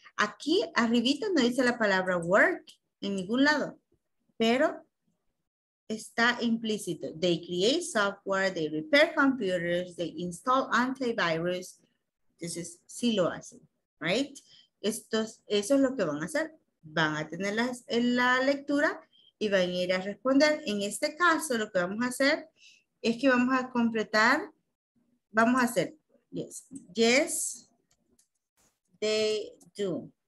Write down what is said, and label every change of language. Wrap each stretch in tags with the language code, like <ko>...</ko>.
<es>Aquí, arribita, no dice la palabra work en ningún lado. Pero está implícito.</es> <en>They create software, they repair computers, they install antivirus.</en> <es>Entonces, sí lo hacen. Right? Estos, eso es lo que van a hacer. Van a tener las, en la lectura y van a ir a responder. En este caso, lo que vamos a hacer es que vamos a completar. Vamos a hacer.</es> <en>Yes. Yes. They do.</en>